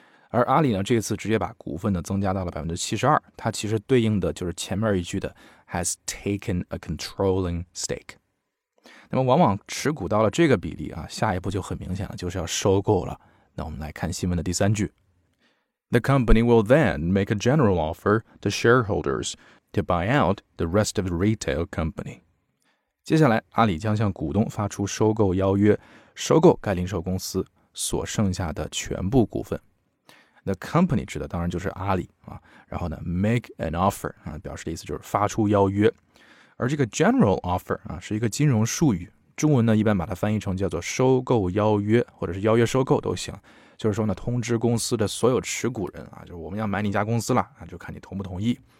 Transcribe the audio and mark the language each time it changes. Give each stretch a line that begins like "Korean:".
Chinese: 而阿里呢这次直接把股份呢增加到了 72%, 它其实对应的就是前面一句的
English: has taken a controlling stake。
Chinese: 那么往往持股到了这个比例啊，下一步就很明显了，就是要收购了。那我们来看新闻的第三句。
English: The company will then make a general offer to shareholders to buy out the rest of the retail company.
Chinese: 接下来阿里将向股东发出收购邀约，收购该零售公司所剩下的全部股份。 The company 指的当然就是阿里、然后呢
English: make an offer、
Chinese: 表示的意思就是发出邀约。而这个 general offer、是一个金融术语，中文呢一般把它翻译成叫做收购邀约或者是邀约收购都行，就是说呢通知公司的所有持股人、就是我们要买你家公司了、就看你同不同意。